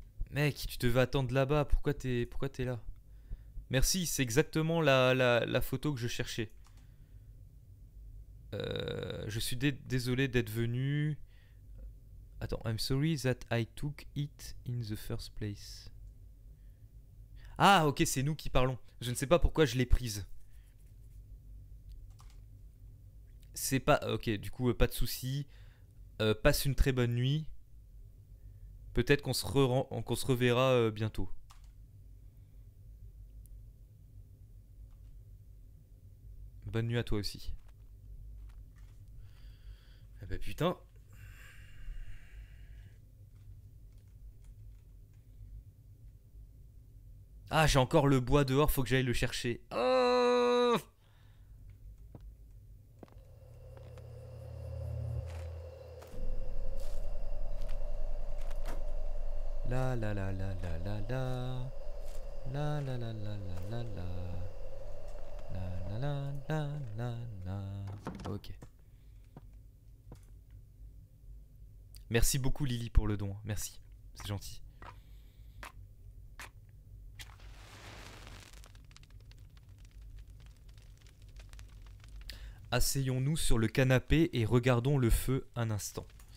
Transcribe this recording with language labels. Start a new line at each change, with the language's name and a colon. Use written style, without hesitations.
French: Mec, tu devais attendre là-bas. Pourquoi t'es là? Merci, c'est exactement la photo que je cherchais. Je suis désolé d'être venu.
English: Attends, I'm sorry that I took it in the first place.
French: Ah, ok, c'est nous qui parlons. Je ne sais pas pourquoi je l'ai prise. C'est pas... Ok, du coup, pas de soucis. Passe une très bonne nuit. Peut-être qu'on se reverra bientôt. Bonne nuit à toi aussi. Ah bah putain. Ah, j'ai encore le bois dehors, faut que j'aille le chercher. Oh! La la la la la la la la la la la la la la la la la la la la. Ok. Merci beaucoup Lily pour le don. Merci, c'est gentil. Asseyons-nous sur le canapé et regardons le feu un instant.